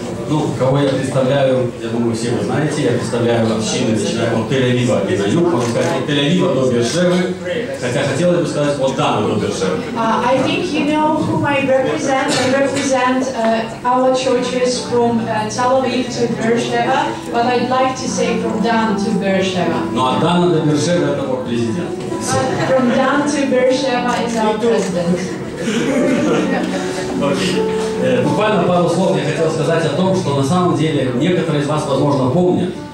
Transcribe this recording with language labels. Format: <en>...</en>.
<ru>Ну, кого я представляю, я думаю, все вы знаете, я представляю общины, начинаем от Тель-Авива и на юг, можно сказать, от Тель-Авива до Бершевы, хотя хотелось бы сказать, от Дана до Бершевы.</ru> <en>I think you know whom I represent. I represent our churches from Tel-Aviv to Beersheba, but I'd like to say from Dan to Beersheba.</en> <ru>Ну, от Дана до Бершевы это мой президент.</ru> <en>From Dan to Beersheba is our president.</en> <ru>Буквально пару слов я хотел сказать о том, что на самом деле некоторые из вас, возможно, помнят.</ru>